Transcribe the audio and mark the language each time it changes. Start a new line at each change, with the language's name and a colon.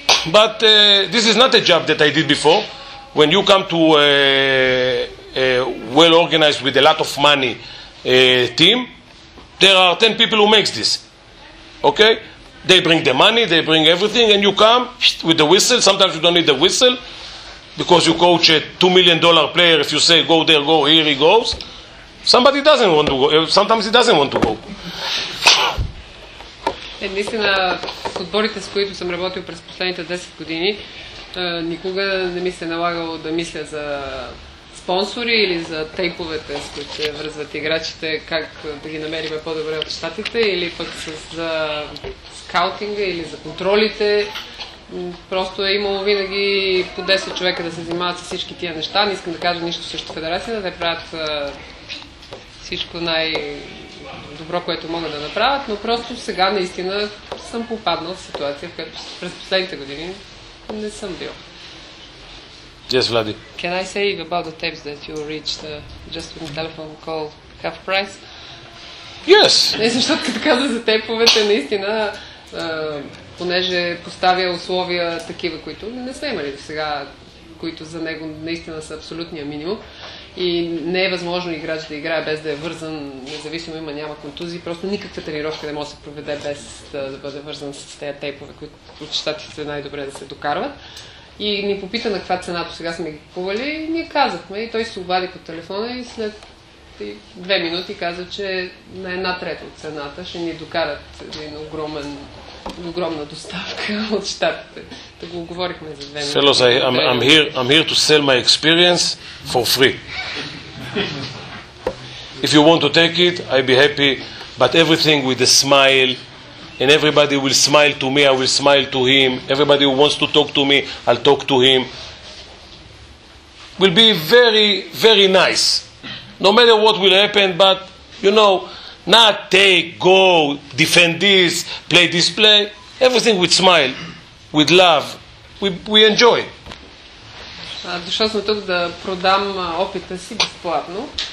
English: But this is not a job that I did before. When you come to a well-organized with a lot of money team, there are 10 people who makes this. Okay, they bring the money, they bring everything, and you come with the whistle. Sometimes you don't need the whistle. Because you coach a $2 million player, if you say go there, go here, he goes. Somebody doesn't want to go. Sometimes he doesn't want to go.
Bulgarian: Наистина, с отборите, с които съм работил през последните 10 години, никога не ми се е налагало да мисля за спонсори или за тейповете, с които се връзват играчите, как да ги намерим по-добре от щатите, или пък за скаутинга, или за контролите. Просто е имало винаги по 10 човека да се занимават с всички тия неща. Не искам да кажа нищо срещу федерацията, да те правят всичко най-добро, което могат да направят, но просто сега наистина съм попаднал в ситуация, в която през последните години не съм бил.
English: Yes, Vladi. Can I say about the tapes that you reached just with a telephone call half price? Yes.
Bulgarian: Не, защото като каза за теповете, наистина понеже поставя условия такива, които не сме имали до сега, които за него наистина са абсолютния минимум. И не е възможно играч да играе без да е вързан, независимо има няма контузии. Просто никаква тренировка не може да се проведе без да бъде вързан с тези тейпове, които от щатите най-добре да се докарват. И ни попита на каква цена до сега сме ги купували и ние казахме. И той се обади по телефона и след 2 минути каза, че на 1/3 от цената ще ни докарат един огромна доставка от щатите. Да го говорихме за 2 минути.
English: Fellows, I'm here to sell my experience for free. If you want to take it, I'll be happy. But everything with a smile, and everybody will smile to me, I will smile to him. Everybody who wants to talk to me, I'll talk to him. Will be very, very nice. No matter what will happen, but, you know, not take, go, defend this, play this play. Everything with smile, with love. We enjoy.
Bulgarian: Дошъл съм тук да продам опита си безплатно.